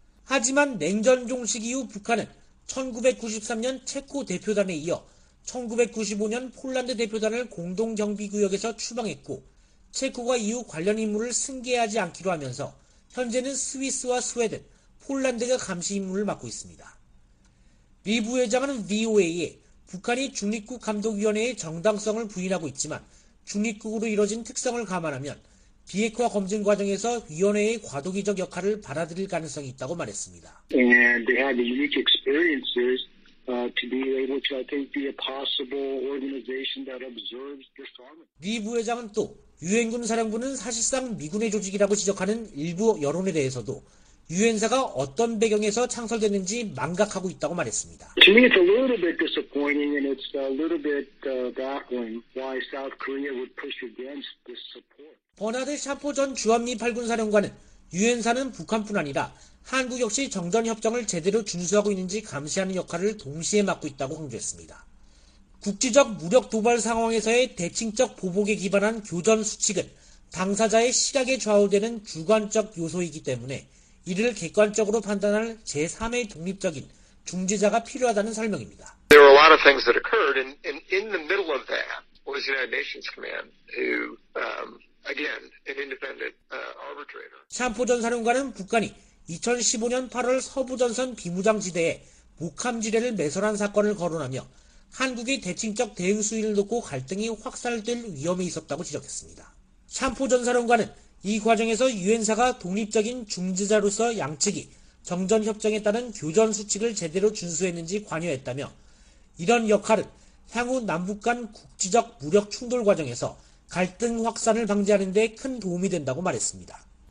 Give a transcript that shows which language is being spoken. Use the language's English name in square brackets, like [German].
[Korean] 하지만 냉전 종식 이후 북한은 1993년 체코 대표단에 이어 1995년 폴란드 대표단을 공동경비구역에서 추방했고 체코가 이후 관련 임무를 승계하지 않기로 하면서 현재는 스위스와 스웨덴, 폴란드가 감시 임무를 맡고 있습니다. 리 부회장은 VOA에 북한이 중립국 감독위원회의 정당성을 부인하고 있지만 중립국으로 이뤄진 특성을 감안하면 비핵화 검증 과정에서 위원회의 과도기적 역할을 받아들일 가능성이 있다고 말했습니다. [English] And they had the unique experiences to be able to, I think, be a possible organization that observes this armament. [Korean] 리 부회장은 또 유엔군 사령부는 사실상 미군의 조직이라고 지적하는 일부 여론에 대해서도 유엔사가 어떤 배경에서 창설됐는지 망각하고 있다고 말했습니다. [English] To me, it's a little bit disappointing and it's a little bit baffling why South Korea would push against this support. [Korean] 버나드 샤포 전 주한미 8군 사령관은 유엔사는 북한뿐 아니라 한국 역시 정전협정을 제대로 준수하고 있는지 감시하는 역할을 동시에 맡고 있다고 강조했습니다. 국제적 무력 도발 상황에서의 대칭적 보복에 기반한 교전 수칙은 당사자의 시각에 좌우되는 주관적 요소이기 때문에 이를 객관적으로 판단할 제3의 독립적인 중재자가 필요하다는 설명입니다. [English] There were a lot of things that occurred in the middle of that was the United Nations command who again an independent arbitrator. [Korean] 샴포 전 사령관은 북한이 2015년 8월 서부전선 비무장지대에 목함지뢰를 매설한 사건을 거론하며 한국이 대칭적 대응 수위를 놓고 갈등이 확산될 위험이 있었다고 지적했습니다. 샴포 전 사령관은 이 과정에서 유엔사가 독립적인 중재자로서 양측이 정전협정에 따른 교전 수칙을 제대로 준수했는지 관여했다며 이런 역할은 향후 남북 간 국지적 무력 충돌 과정에서 갈등 확산을 방지하는 데 큰 도움이 된다고 말했습니다.